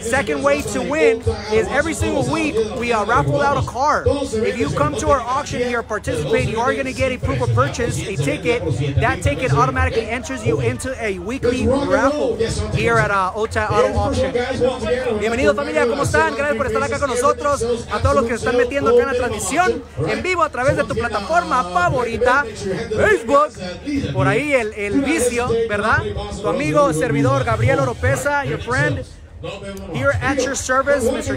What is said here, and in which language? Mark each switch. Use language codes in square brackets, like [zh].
[en] Second way to win is every single week we raffle out a car. If you come to our auction here, participate, you are going to get a proof of purchase, a ticket. That ticket automatically enters you into a weekly raffle here at Otay Auto Auction. [es] Bienvenido, familia. ¿Cómo están? Gracias por estar acá con nosotros. A todos los que están metiendo acá en la transmisión en vivo a través de tu plataforma favorita, Facebook. Por ahí el vicio, ¿verdad? Tu amigo, servidor, Gabriel. [en] Gabriel Oropesa, your friend, here at your service, Mr.